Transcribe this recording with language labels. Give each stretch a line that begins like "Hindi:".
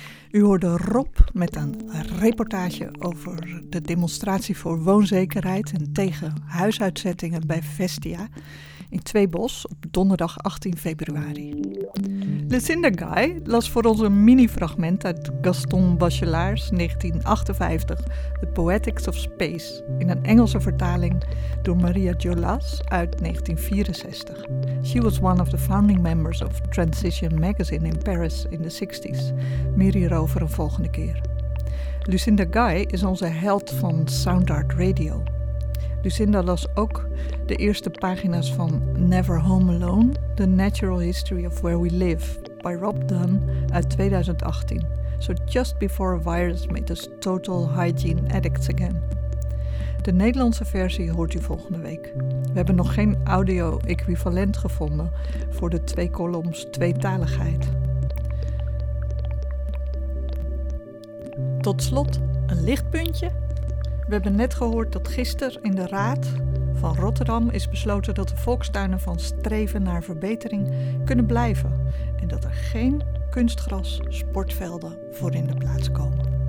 Dutch: U hoorde Rob met een reportage over de demonstratie voor woonzekerheid en tegen huisuitzettingen bij Vestia in Tweebos op donderdag 18 februari. Lucinda Guy las voor ons een mini-fragment uit Gaston Bachelard's 1958 The Poetics of Space in een Engelse vertaling door Maria Jolas uit 1964.
English: She was one of the founding members of Transition Magazine in Paris in the 60s.
Dutch: Meer hierover een volgende keer. Lucinda Guy is onze held van Sound Art Radio. Lucinda las ook de eerste pagina's van Never Home Alone, The Natural History of Where We Live, by Rob Dunn uit 2018.
English: So just before a virus made us total hygiene addicts again.
Dutch: De Nederlandse versie hoort u volgende week. We hebben nog geen audio-equivalent gevonden voor de twee columns tweetaligheid. Tot slot een lichtpuntje. We hebben net gehoord dat gisteren in de Raad van Rotterdam is besloten dat de volkstuinen van streven naar verbetering kunnen blijven en dat er geen kunstgras sportvelden voor in de plaats komen.